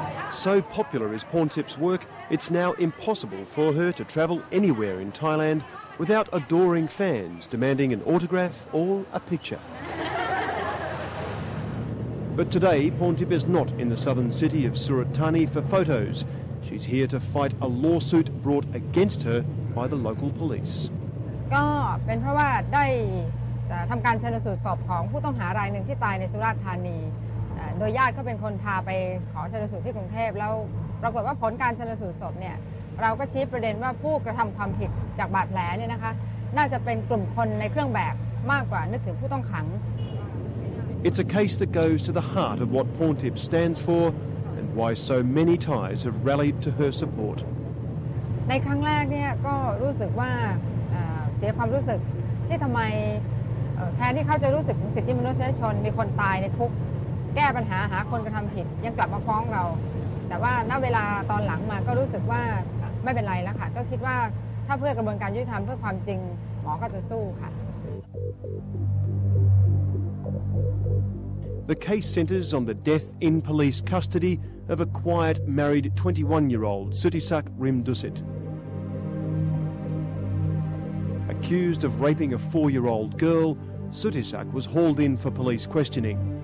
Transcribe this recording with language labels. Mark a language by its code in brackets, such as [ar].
[en] So popular is Porntip's work, it's now impossible for her to travel anywhere in Thailand without adoring fans demanding an autograph or a picture. But today, Porntip is not in the southern city of Surat Thani for photos. She's here to fight a lawsuit brought against her by the local police. [th] ก็เป็นเพราะว่าได้ทำการชันสูตรศพของผู้ต้องหารายหนึ่งที่ตายในสุราษฎร์ธานีโดยญาติก็เป็นคนพาไปขอชันสูตรที่กรุงเทพแล้วปรากฏว่าผลการชันสูตรศพเนี่ยเราก็ชี้ประเด็นว่าผู้กระทำความผิดจากบาดแผลเนี่ยนะคะน่าจะเป็นกลุ่มคนในเครื่องแบบมากกว่านึกถึงผู้ต้องขัง [en] It's a case that goes to the heart of what Porntip stands for and why so many Thais have rallied to her support [th] ในครั้งแรกเนี่ยก็รู้สึกว่าเสียความรู้สึกที่ทำไมแทนที่เขาจะรู้สึกถึงสิทธิมนุษยชนมีคนตายในคุกแก้ปัญหาหาคนกระทำผิดยังกลับมาฟ้องเราแต่ว่าณเวลาตอนหลังมาก็รู้สึกว่าไม่เป็นไรแล้วค่ะก็คิดว่าถ้าเพื่อกระบวนการยุติธรรมเพื่อความจริงหมอก็จะสู้ค่ะ [en] The case centers on the death in police custody of a quiet married 21-year-old Sutisak Rimdusit. Accused of raping a four-year-old girl, Sutisak was hauled in for police questioning.